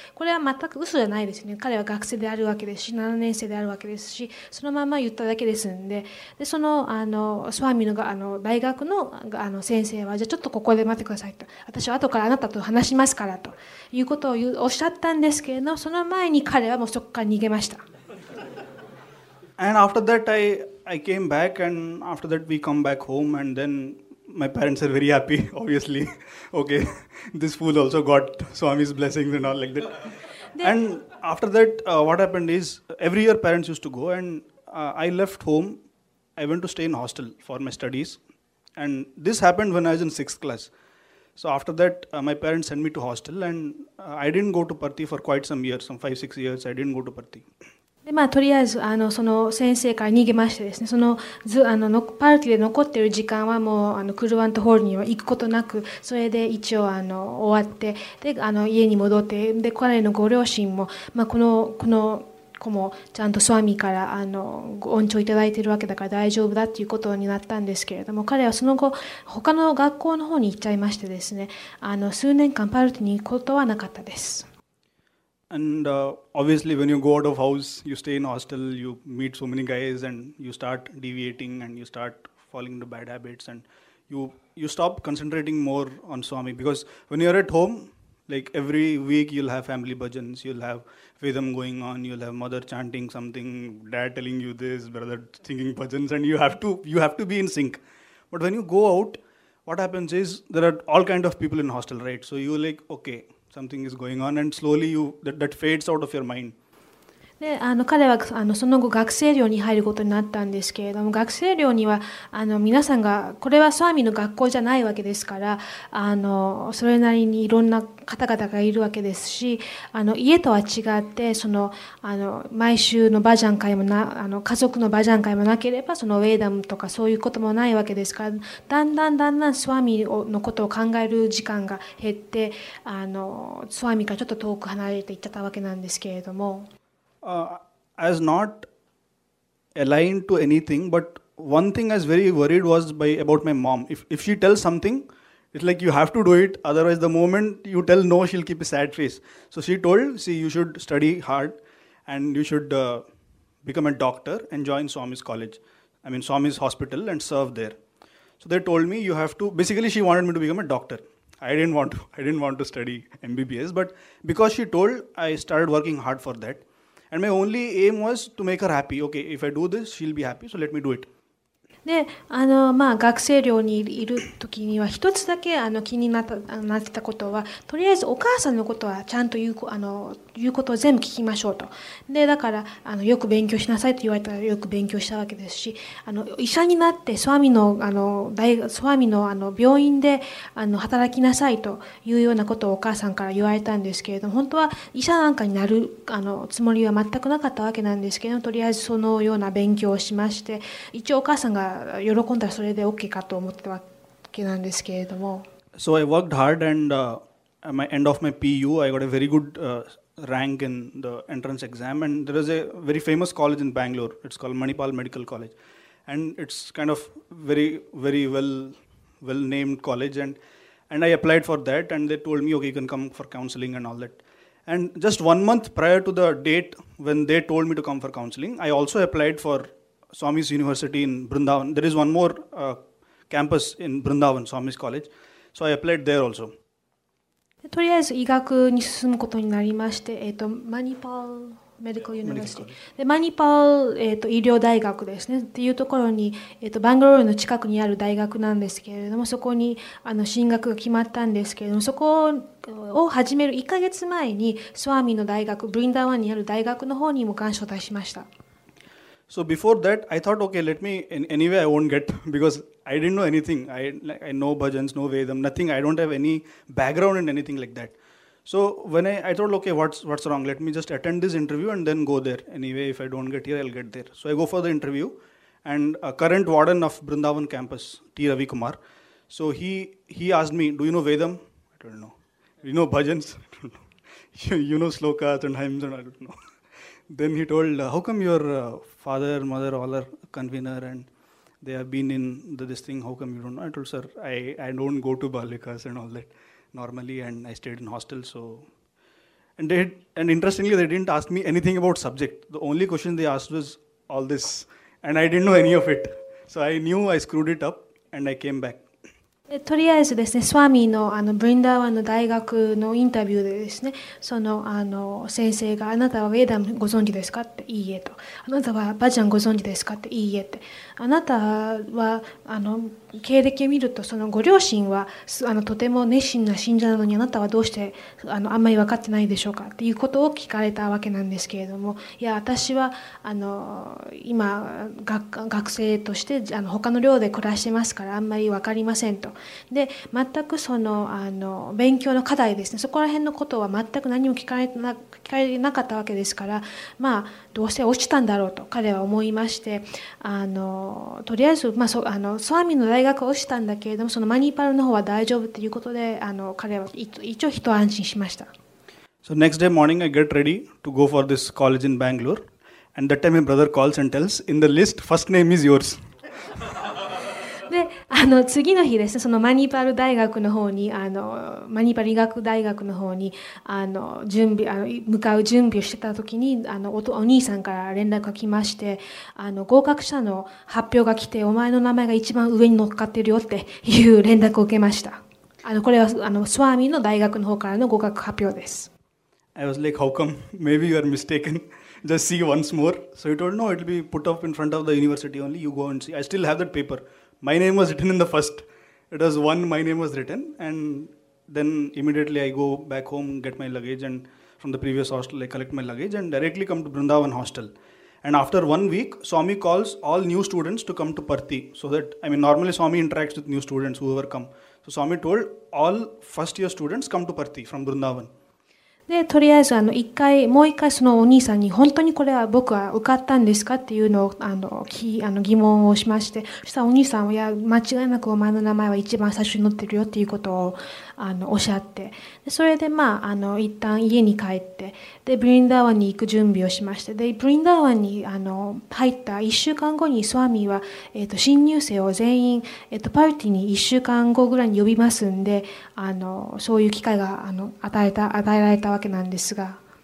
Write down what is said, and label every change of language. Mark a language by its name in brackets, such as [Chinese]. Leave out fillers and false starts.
[Japanese] これは全く嘘じゃないですね。彼は学生であるわけですし、7年生であるわけですし、そのまま言っただけですんで、でそ の, あのスワミ の, があの大学 の, あの先生は、じゃあちょっとここで待ってくださいと、私は後からあなたと話しますからということをおっしゃったんですけれど、その前に彼はもうそこから逃げました。 [English] And after that I came back, and after that we come back home, and then my parents are very happy, obviously. Okay, this fool also got Swami's blessings and all like that. And after that, what happened is, every year parents used to go, andI left home. I went to stay in hostel for my studies. And this happened when I was in sixth class. So after that, my parents sent me to hostel. And I didn't go to Parthi for quite some years. Some 5-6 years, I didn't go to Parthi. [Japanese] でまあ、とりあえずあのその先生から逃げましてですね、パーティーで残っている時間はもうあのクルワントホールには行くことなく、それで一応あの終わって、であの家に戻って、で彼のご両親も、まあ、この子もちゃんとスワミからあのご恩寵いただいているわけだから大丈夫だということになったんですけれども、彼はその後他の学校の方に行っちゃいましてですね、あの数年間パルティに行くことはなかったです。 [English] And obviously when you go out of house, you stay in hostel, you meet so many guys, and you start deviating, and you start falling into bad habits, and you stop concentrating more on Swami. Because when you're at home, like every week you'll have family bhajans, you'll have vedam going on, you'll have mother chanting something, dad telling you this, brother singing bhajans, and you have to be in sync. But when you go out, what happens is, there are all kind of people in hostel, right? So you're like, okay. Something is going on, and slowly that fades out of your mind. [Japanese] で、あの彼はあのその後学生寮に入ることになったんですけれども、学生寮にはあの皆さんが、これはスワミの学校じゃないわけですから、あのそれなりにいろんな方々がいるわけですし、あの家とは違って、そのあの毎週のバジャン会もな、あの家族のバジャン会もなければ、そのウェイダムとかそういうこともないわけですから、だんだんだんだんスワミのことを考える時間が減って、あのスワミからちょっと遠く離れていっちゃったわけなんですけれども、 [English] I was not aligned to anything, but one thing I was very worried was about my mom. If she tells something, it's like you have to do it, otherwise the moment you tell no, she'll keep a sad face. So she told, see, you should study hard and you should become a doctor and join Swami's college. I mean, Swami's hospital, and serve there. So they told me you have to, basically she wanted me to become a doctor. I didn't want to study MBBS, but because she told, I started working hard for that. And my only aim was to make her happy. Okay, if I do this, she'll be happy, so let me do it. [Japanese] で、まあ、学生寮にいる時には一つだけ気になった、なってたことは、とりあえずお母さんのことはちゃんと言う、言うことを全部聞きましょうと。で、だからよく勉強しなさいと言われたらよく勉強したわけですし、医者になってスワミの、スワミの、病院で働きなさいというようなことをお母さんから言われたんですけれども、本当は医者なんかになるつもりは全くなかったわけなんですけど、とりあえずそのような勉強をしまして、一応お母さんが喜んだらそれで OK かと思ってたわけなんですけれども。 [English] So I worked hard and at my end of my PU I got a very good rank in the entrance exam, and there is a very famous college in Bangalore, it's called Manipal Medical College, and it's kind of very very well named college, and I applied for that, and they told me okay, you can come for counseling and all that. And just 1 month prior to the date when they told me to come for counseling, I also applied for Swami's University in Brindavan. There is one more campus in Brindavan, Swami's College. So I applied there also. [Japanese] とりあえず医学に進むことになりまして、マニパールメディカルユニバーシティ、でマニパール、医療大学ですねっていうところに、バンガロールの近くにある大学なんですけれども、そこに進学が決まったんですけれども、そこを始める1ヶ月前にスワミの大学ブリンダワンにある大学の方にも願書を出しました。 [English] So before that, I thought, okay, let me, anyway, I won't get, because I didn't know anything. I know bhajans, know Vedam, nothing. I don't have any background in anything like that. So when I thought, okay, what's wrong? Let me just attend this interview and then go there. Anyway, if I don't get here, I'll get there. So I go for the interview, and a current warden of Brindavan campus, T. Ravi Kumar. So he asked me, do you know Vedam? I don't know. You know bhajans? I don't know. You know slokas and hymns? And I don't know. Then he told, how come your father, mother, all are convener and they have been in this thing, how come you don't know? I told, sir, I don't go to Balikas and all that normally, and I stayed in hostel. So, and interestingly, they didn't ask me anything about subject. The only question they asked was all this, and I didn't know any of it. So I knew I screwed it up and I came back. [Japanese] とりあえずですね、スワミのブリンダーワンの大学のインタビューでですね、その先生があなたはウェーダムご存知ですかって、いいえと、あなたはバジャンご存知ですかって、いいえって、あなたは経歴を見るとそのご両親はとても熱心な信者なのに、あなたはどうしてあんまり分かってないでしょうかっていうことを聞かれたわけなんですけれども、いや私は今 学生として他の寮で暮らしてますからあんまり分かりませんと。で全くその勉強の課題ですね、そこら辺のことは全く何も聞かれなかったわけですから、まあどうせ落ちたんだろうと彼は思いまして、とりあえず、まあ、スワミの大学は落ちたんだけれども、そのマニパルの方は大丈夫ということで彼は一応一安心しました。 [English] So next day morning I get ready to go for this college in Bangalore, and that time my brother calls and tells, in the list first name is yours. [Japanese] で次の日ですね、そのマニパル大学の方にマニパル医学大学の方に向かう準備をしてた時に、お兄さんから連絡が来まして、合格者の発表が来て、お前の名前が一番上に乗っかってるよっていう連絡を受けました。これはスワミの大学の方からの合格発表です。 [English] I was like, how come? Maybe you are mistaken. Just see once more. So he told, no, it'll be put up in front of the university only. You go and see. I still have that paper. My name was written in the first. It was one, my name was written. And then immediately I go back home, get my luggage, and from the previous hostel, I collect my luggage and directly come to Brindavan hostel. And after 1 week, Swami calls all new students to come to Parthi. So that, I mean, normally Swami interacts with new students, whoever come. So Swami told all first year students come to Parthi from Brindavan. [Japanese] でとりあえず1回もう1回そのお兄さんに、本当にこれは僕は受かったんですかっていうのを疑問をしまして、そしたらお兄さんは、いや間違いなくお前の名前は一番最初に載ってるよっていうことをおっしゃって、でそれでまあ一旦家に帰って、でブリンダーワンに行く準備をしまして、でブリンダーワンに入った1週間後にスワミは、新入生を全員、パーティーに1週間後ぐらいに呼びますんで、そういう機会が与えられたわけなんですが、